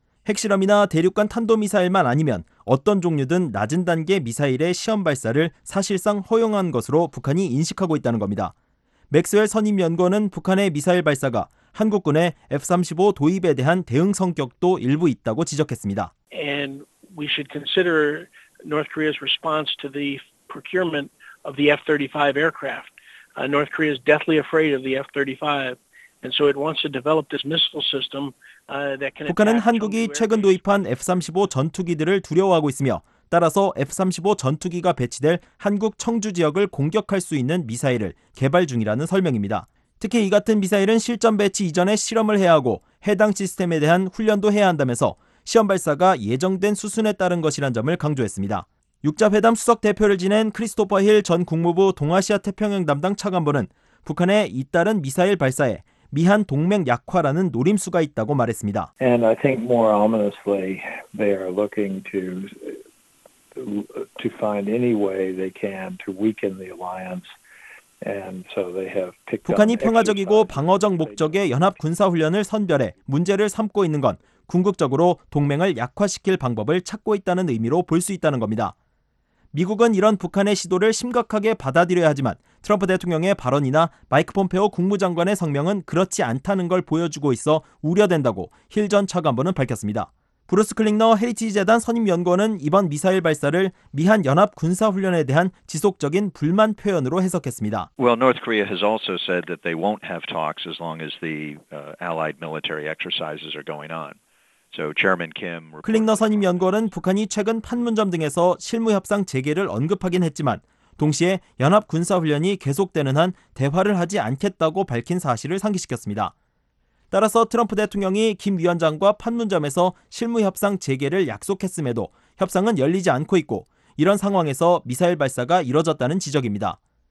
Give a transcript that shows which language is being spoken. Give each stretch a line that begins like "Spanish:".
Korean: 핵실험이나 대륙간 탄도미사일만 아니면 어떤 종류든 낮은 단계 미사일의 시험 발사를 사실상 허용한 것으로 북한이 인식하고 있다는 겁니다. 맥스웰 선임연구원은 북한의 미사일 발사가 한국군의 F-35 도입에 대한 대응 성격도 일부 있다고 지적했습니다.
English: And we should consider North Korea's response to the procurement of the F-35 aircraft. North Korea is deathly afraid of the F-35. And so it wants to develop this missile system that can
Korean: 북한은 한국이 최근 도입한 F-35 전투기들을 두려워하고 있으며 따라서 F-35 전투기가 배치될 한국 청주 지역을 공격할 수 있는 미사일을 개발 중이라는 설명입니다. 특히 이 같은 미사일은 실전 배치 이전에 실험을 해야 하고 해당 시스템에 대한 훈련도 해야 한다면서 시험 발사가 예정된 수순에 따른 것이란 점을 강조했습니다. 6자회담 수석 대표를 지낸 크리스토퍼 힐 전 국무부 동아시아 태평양 담당 차관보는 북한의 잇따른 미사일 발사에 미한 동맹 약화라는 노림수가 있다고 말했습니다.
English: And I think more ominously they are looking to find any way they can to weaken the alliance. And so they have picked
Korean: 북한이 평화적이고 방어적 목적의 연합 군사 훈련을 선별해 문제를 삼고 있는 건 궁극적으로 동맹을 약화시킬 방법을 찾고 있다는 의미로 볼 수 있다는 겁니다. 미국은 이런 북한의 시도를 심각하게 받아들여야 하지만 트럼프 대통령의 발언이나 마이크 폼페오 국무장관의 성명은 그렇지 않다는 걸 보여주고 있어 우려된다고 힐 전 차관보는 밝혔습니다. 브루스 클링너 헤리티지 재단 선임연구원은 이번 미사일 발사를 미한 연합 군사훈련에 대한 지속적인 불만 표현으로 해석했습니다.
English: Well, North Korea has also said that they won't have talks as long as the allied military exercises are going on. So Chairman Kim
Korean: 클링너 선임연구원은 북한이 최근 판문점 등에서 실무협상 재개를 언급하긴 했지만 동시에 연합군사훈련이 계속되는 한 대화를 하지 않겠다고 밝힌 사실을 상기시켰습니다. 따라서 트럼프 대통령이 김 위원장과 판문점에서 실무협상 재개를 약속했음에도 협상은 열리지 않고 있고 이런 상황에서 미사일 발사가 이뤄졌다는 지적입니다.